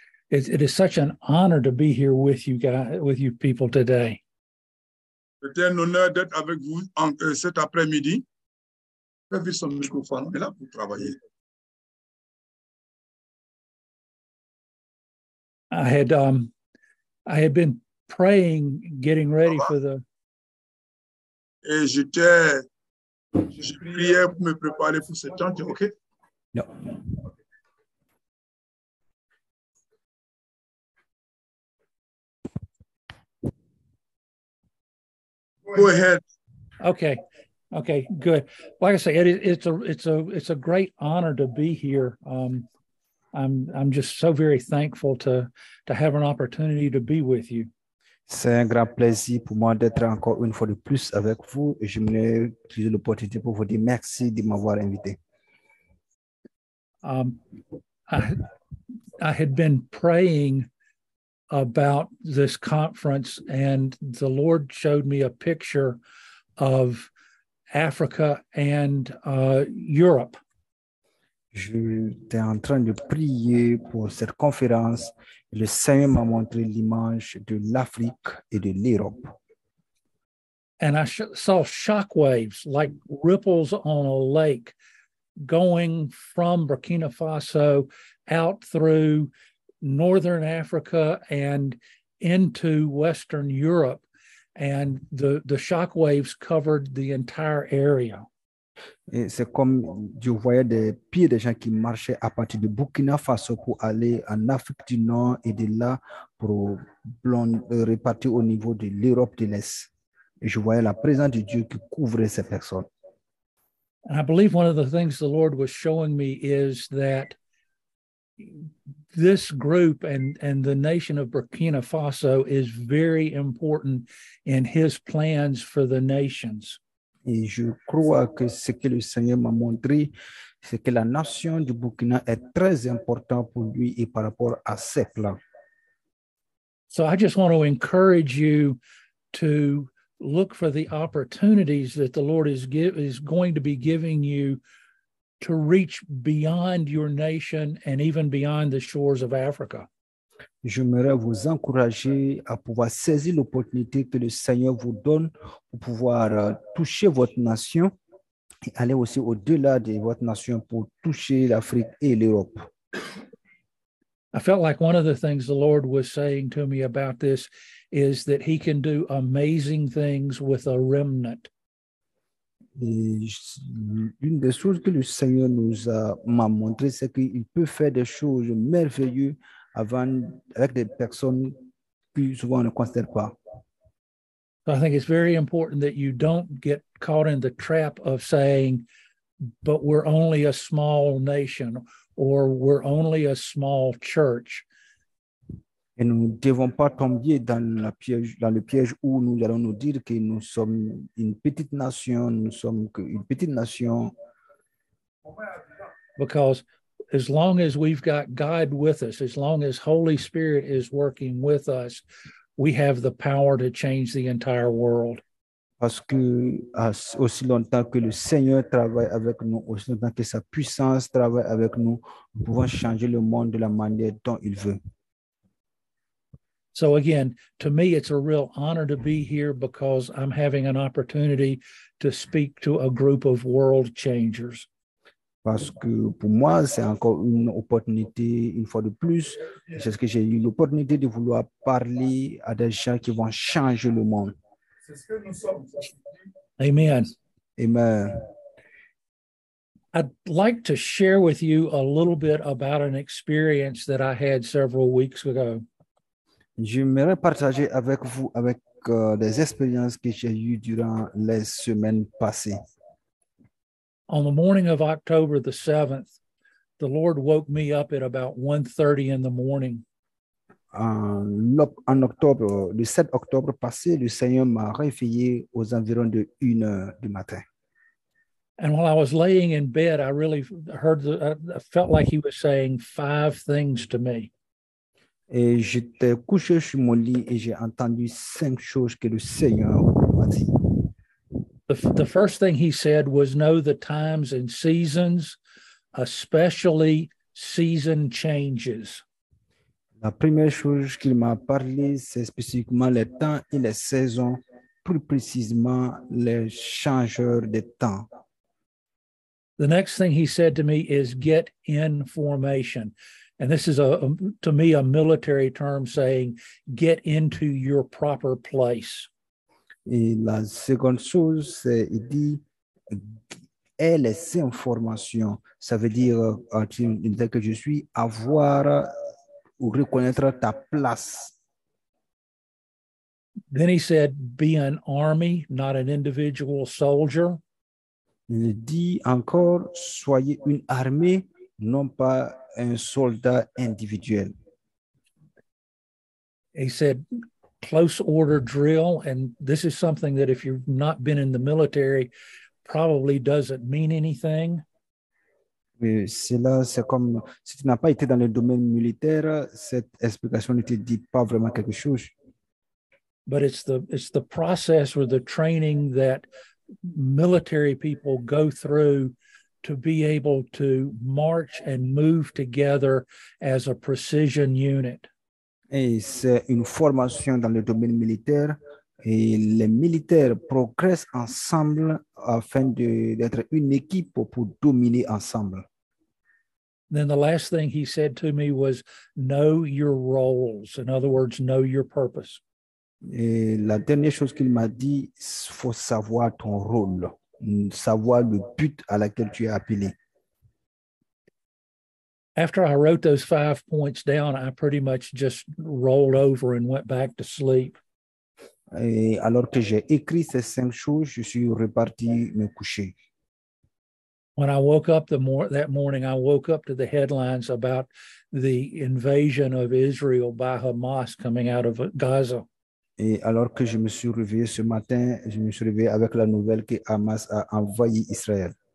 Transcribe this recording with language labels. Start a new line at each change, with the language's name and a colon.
English: It is such an honor to be here with you guys, with you people today.
French: C'est un honneur d'être avec vous en, cet après-midi. J'ai vu son microphone, il est là pour travailler.
English: I had been praying, getting ready for the.
French: Et je priais pour me préparer pour ce temps.
English: OK? No. Go ahead. Okay. Good. Like I say, it's a great honor to be here. I'm just so very thankful to have an opportunity to be with you.
French: C'est un grand plaisir pour moi d'être encore une fois de plus avec vous. Et je voulais utiliser l'opportunité pour vous dire merci de m'avoir invité.
English: I had been praying about this conference, and the Lord showed me a picture of Africa and Europe.
French: J'étais en train de prier pour cette conférence. Le Seigneur m'a montré l'image de l'Afrique et de l'Europe.
English: And I saw shockwaves like ripples on a lake going from Burkina Faso out through Northern Africa and into Western Europe, and the shock waves covered the entire area.
French: Et c'est comme je voyais des pieds de gens qui marchaient à partir de Burkina Faso pour aller en Afrique du Nord et de là pour repartir au niveau de l'Europe de l'Est. Et je voyais la présence de Dieu qui couvrait ces personnes.
English: And I believe one of the things the Lord was showing me is that this group and the nation of Burkina Faso is very important in his plans for the nations.
French: Et je crois que ce que le Seigneur m'a montré, c'est que la nation du Burkina est très important pour lui et par rapport à ses plans.
English: So I just want to encourage you to look for the opportunities that the Lord is going to be giving you to reach beyond your nation and even beyond the shores of Africa.
French: J'aimerais vous encourager à pouvoir saisir l'opportunité que le Seigneur vous donne pour pouvoir toucher votre nation et aller aussi au-delà de votre nation pour toucher l'Afrique et l'Europe.
English: I felt like one of the things the Lord was saying to me about this is that he can do amazing things with a remnant.
French: Et une des choses que le Seigneur nous a m'a montré, c'est qu'il peut faire des choses merveilleuses avec des personnes que souvent on ne considère pas.
English: I think it's very important that you don't get caught in the trap of saying, but we're only a small nation, or we're only a small church.
French: Et nous ne devons pas tomber dans le piège où nous allons nous dire que nous sommes une petite nation, nous sommes une petite nation.
English: Because as long as we've got God with us, as long as Holy Spirit is working with us, we have the power to change the entire world.
French: Parce que aussi longtemps que le Seigneur travaille avec nous, aussi longtemps que sa puissance travaille avec nous, nous pouvons changer le monde de la manière dont il veut.
English: So again, to me, it's a real honor to be here because I'm having an opportunity to speak to a group of world changers.
French: Parce que pour moi, c'est encore une opportunité, une fois de plus, c'est ce que j'ai eu l'opportunité de vouloir parler à des gens qui vont changer le monde. C'est ce que nous sommes. Amen.
English: I'd like to share with you a little bit about an experience that I had several weeks ago.
French: J'aimerais partager avec vous avec des expériences que j'ai eues durant les semaines passées.
English: On the morning of October the 7th, the Lord woke me up at about 1:30 in the morning.
French: En octobre, le 7 octobre passé, le Seigneur m'a réveillé aux environs de 1h du matin.
English: And while I was laying in bed, I really heard, I felt like he was saying five things to me.
French: Et j'étais couché sur mon lit et j'ai entendu cinq choses que le Seigneur m'a dit.
English: The first thing he said was know the times and seasons, especially season changes.
French: La première chose qu'il m'a parlé, c'est spécifiquement les temps et les saisons, plus précisément les changeurs de temps.
English: The next thing he said to me is get in formation. And this is to me, a military term saying get into your proper place.
French: Et la seconde chose, c'est, il dit, et les informations. Ça veut dire, en tant que je suis, avoir ou reconnaître ta place.
English: Then he said, be an army, not an individual soldier.
French: Il dit encore, soyez une armée, non pas un soldat individuel.
English: He said, close order drill, and this is something that if you've not been in the military, probably doesn't mean anything.
French: Cela, c'est comme, si tu n'as pas été dans le domaine militaire, cette explication ne te dit pas vraiment quelque chose.
English: But it's the process or the training that military people go through to be able to march and move together as a precision unit.
French: Et c'est une formation dans le domaine militaire et les militaires progressent ensemble afin d'être une équipe pour dominer ensemble.
English: Then the last thing he said to me was, know your roles. In other words, know your purpose.
French: Et la dernière chose qu'il m'a dit, faut savoir ton rôle, savoir le but à laquelle tu es appelé.
English: After I wrote those 5 points down, I pretty much just rolled over and went back to sleep.
French: Et alors que j'ai écrit ces 5 choses, je suis reparti me coucher.
English: When I woke up that morning, I woke up to the headlines about the invasion of Israel by Hamas coming out of Gaza.
French: Et alors que je me suis réveillé ce matin, je me suis réveillé avec la nouvelle que Hamas a envahi Israël.